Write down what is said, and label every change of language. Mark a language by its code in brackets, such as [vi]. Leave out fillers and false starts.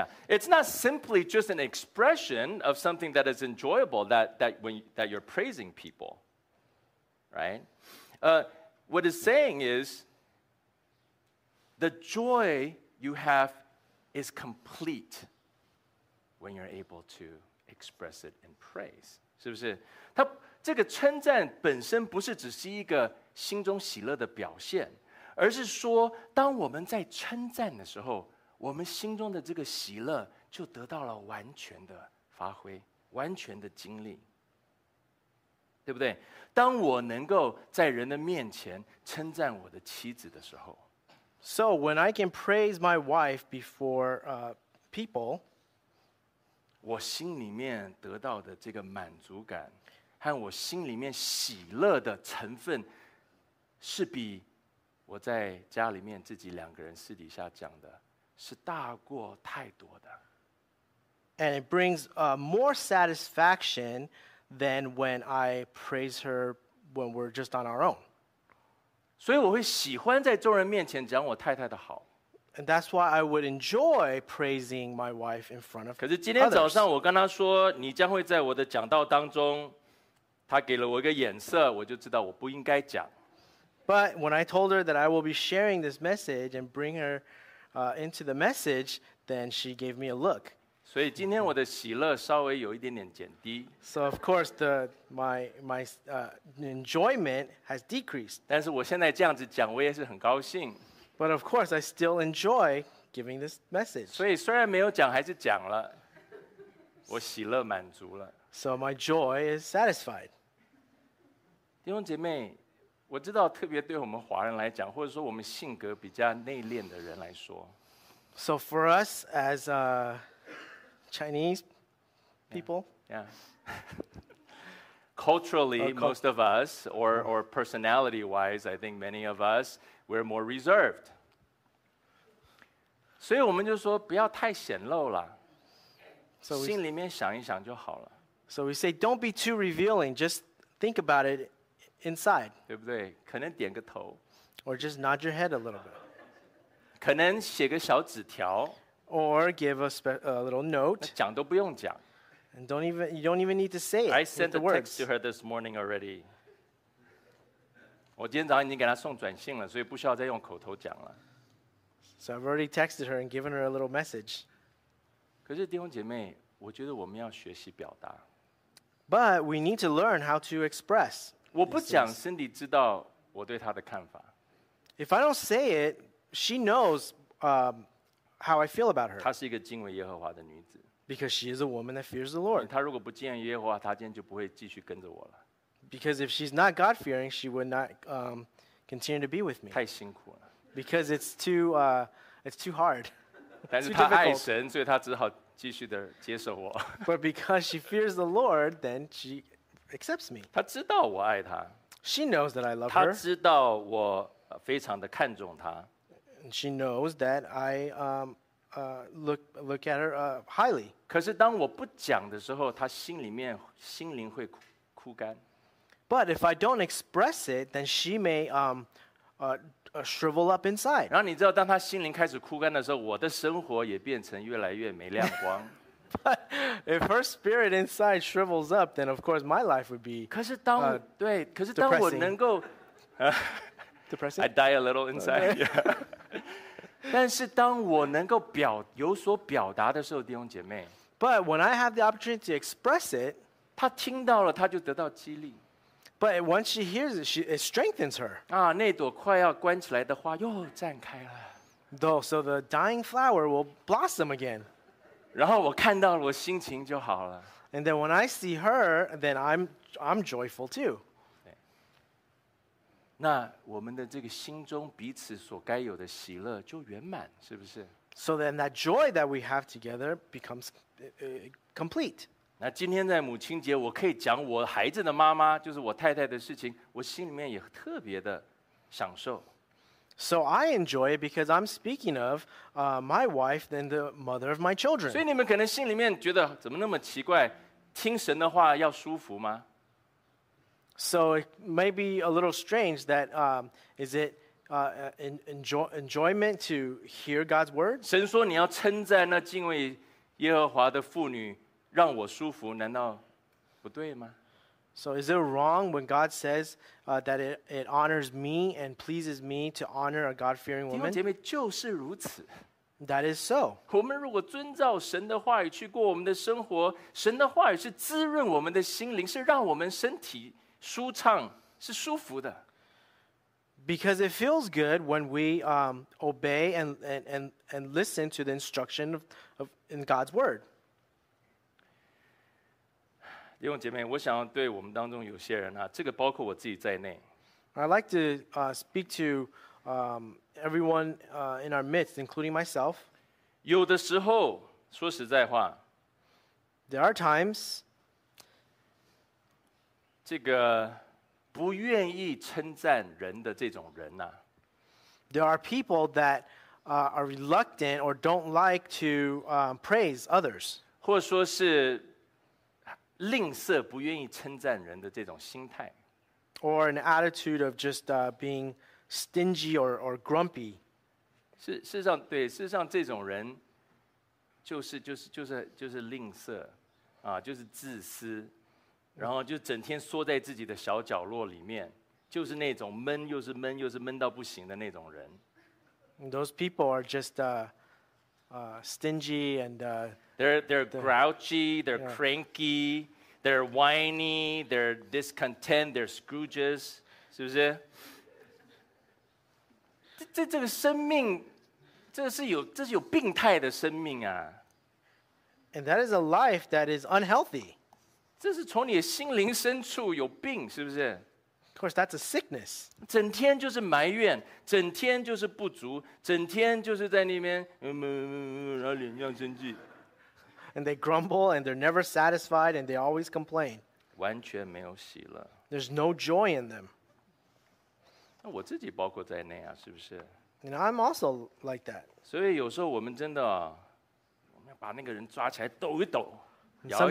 [en] It's not simply just an expression of something that is enjoyable that you're praising people. Right? What it's saying is the joy you have is complete when you're able to express it in praise. [zh] 是不是？这个称赞本身不是只是一个心中喜乐的表现，而是说当我们在称赞的时候，我们心中的这个喜乐就得到了完全的发挥，完全的经历，对不对？当我能够在人的面前称赞我的妻子的时候， [en] So when I can praise my wife before people, [zh] 我心里面得到的这个满足感和我心里面喜乐的成分是比我在家里面自己两个人私底下讲的是大过太多的。 [en] And it brings more satisfaction than when I praise her when we're just on our own. [zh] 所以我会喜欢在众人面前讲我太太的好。 [en] And that's why I would enjoy praising my wife in front of others. [zh] 可是今天早上我跟她说，你将会在我的讲道当中，她给了我一个眼色，我就知道我不应该讲。 [en] But when I told her that I will be sharing this message and bring her into the message, then she gave me a look. [zh] 所以今天我的喜乐稍微有一点点减低。 [en] So of course my enjoyment has decreased. [zh] 但是我现在这样子讲，我也是很高兴。 [en] But of course I still enjoy giving this message. [zh] 所以虽然没有讲，还是讲了，我喜乐满足了。 [en] So my joy is satisfied. [zh] 弟兄姐妹，我知道特别对我们华人来讲，或者说我们性格比较内敛的人来说。 [en] So for us as a Chinese people, yeah. Culturally, most of us, or personality-wise, I think many of us, we're more reserved. [zh] 所以我们就说不要太显露了。So 心里面想一想就好了。 [en] So we say, don't be too revealing. Just think about it inside. [zh] 对不对？可能点个头。 [en] Or just nod your head a little bit. [zh] 可能写个小纸条。 [en] Or give a little note. [zh] 讲都不用讲。 [en] And you don't even need to say it. I sent a text to her this morning already. [zh] 我今天早上已经给她送短信了，所以不需要再用口头讲了。 [en] So I've already texted her and given her a little message. [zh] 可是弟兄姐妹，我觉得我们要学习表达。 [en] But we need to learn how to express. [zh] 我不讲 ，Cindy 知道我对她的看法。 [en] If I don't say it, she knows. How I feel about her. [zh] 她是一个敬畏耶和华的女子。 [en] Because she is a woman that fears the Lord. [zh] 她如果不敬畏耶和华，她今天就不会继续跟着我了。 [en] Because if she's not God-fearing, she would not continue to be with me. [zh] 太辛苦了。 [en] Because it's too hard. [zh] 但是她爱神，所以她只好继续的接受我。 [en] But because she fears the Lord, then she accepts me. [zh] 她知道我爱她。 [en] She knows that I love her. [zh] 她知道我非常的看重她。 [en] She knows that I look at her highly. [zh] 可是当我不讲的时候，她心里面心灵会枯干。 [en] But if I don't express it, then she may shrivel up inside. [zh] 然后你知道，当她心灵开始枯干的时候，我的生活也变成越来越没亮光。 [en] But if her spirit inside shrivels up, then of course my life would be. [zh] 可是当对，可是当我能够 [en] depressing. I die a little inside. Okay. Yeah. [zh] 但是当我能够有所表达的时候，弟兄姐妹 [en] ，But when I have the opportunity to express it， [zh] 她听到了，她就得到激励。 [en] But once she hears it, it strengthens her. [zh] 啊，那朵快要关起来的花又绽开了。 [en] Though, so the dying flower will blossom again. [zh] 然后我看到了，我心情就好了。 [en] And then when I see her, then I'm joyful too. [zh] 那我们的这个心中彼此所该有的喜乐就圆满，是不是 [en] ？So then that joy that we have together becomes complete. [zh] 那今天在母亲节，我可以讲我孩子的妈妈，就是我太太的事情，我心里面也特别的享受。 [en] So I enjoy it because I'm speaking of my wife and the mother of my children. [zh] 所以你们可能心里面觉得怎么那么奇怪，听神的话要舒服吗？ [en] So it may be a little strange that is it enjoyment to hear God's word? [zh] 神说你要称赞那敬畏耶和华的妇女，让我舒服，难道不对吗？ [en] So is it wrong when God says that it honors me and pleases me to honor a God-fearing woman? [zh] 弟兄姐妹，就是如此。 [en] That is so. [zh] 我们如果遵照神的话语去过我们的生活，神的话语是滋润我们的心灵，是让我们身体舒畅，是舒服的。 [en] Because it feels good when we obey and listen to the instruction of in God's word. [zh] 弟兄姐妹，我想要对我们当中有些人啊，这个包括我自己在内。 [en] I'd like to speak to everyone in our midst, including myself. [zh] 有的时候，说实在话， [en] there are times [zh] 这个不愿意称赞人的这种人啊， [en] there are people that are reluctant or don't like to praise others. [zh] 或说是吝啬不愿意称赞人的这种心态。 [en] Or an attitude of just being stingy or grumpy. [zh] 事实上，对，事实上这种人就是吝啬，啊，就是自私，然后就整天缩在自己的小角落里面，就是那种闷又是闷又是闷到不行的那种人。 [en] Those people are just stingy and they're grouchy, they're cranky. They're whiny, they're discontent, they're Scrooges, [zh] 是不是？这个生命，这是有病态的生命啊。 [en] And that is a life that is unhealthy. [zh] 这是从你的心灵深处有病，是不是？ [en] Of course, that's a sickness. [zh] 整天就是埋怨，整天就是不足，整天就是在那边，然后脸上生气。 [en] And they grumble, and they're never satisfied, and they always complain. [zh] 完全没有喜乐。 [en] There's no joy in them. [zh] 那我自己包括在内啊，是不是？ [en] And I'm also like that. [zh] 所以有时候我们真的，我们要把那个人抓起来抖一抖，摇一摇。